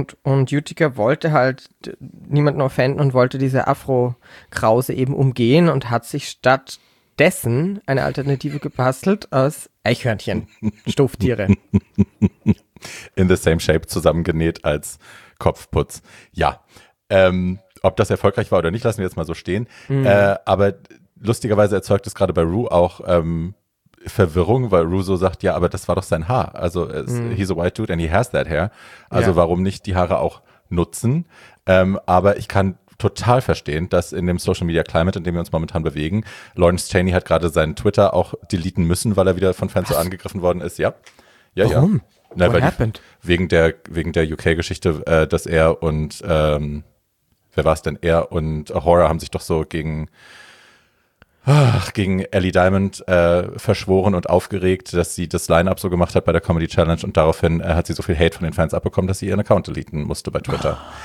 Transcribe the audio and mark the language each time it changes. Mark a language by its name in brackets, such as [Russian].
[German] Und Utica wollte halt niemanden offenden und wollte diese Afro-Krause eben umgehen und hat sich stattdessen eine Alternative gebastelt aus Eichhörnchen, Stofftiere. [English] In the same shape, [German] zusammengenäht als Kopfputz. Ja, ob das erfolgreich war oder nicht, lassen wir jetzt mal so stehen. Mhm. Aber lustigerweise erzeugt es gerade bei Rue auch Verwirrung, weil Rue so sagt, ja, aber das war doch sein Haar. [English] Also he's a white dude and he has that hair. [German] Also warum nicht die Haare auch nutzen? Aber ich kann total verstehen, dass in dem Social Media Climate, in dem wir uns momentan bewegen, Lawrence Chaney hat gerade seinen Twitter auch deleten müssen, weil er wieder von Fans so angegriffen worden ist. Ja, ja, warum? [English] Ja. Na, what happened? [German] Wegen der UK-Geschichte, dass er und, wer war es denn, er und Horror haben sich doch so gegen Ellie Diamond verschworen und aufgeregt, dass sie das Line-Up so gemacht hat bei der Comedy Challenge und daraufhin hat sie so viel Hate von den Fans abbekommen, dass sie ihren Account deleten musste bei Twitter.